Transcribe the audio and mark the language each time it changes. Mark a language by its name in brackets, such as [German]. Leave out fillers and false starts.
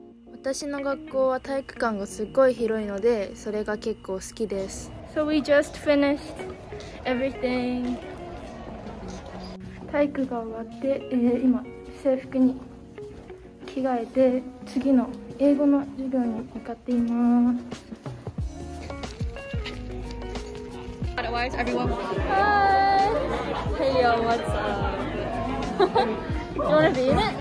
[Japanese] 私の学校は体育館がすっごい広いので、それが結構好きです。 [English] So we just finished everything. [Japanese] 体育が終わって、今制服に着替えて次の英語の授業に向かっています。 [English] Otherwise, everyone. Hi. Hey yo, what's up? You wanna be in it?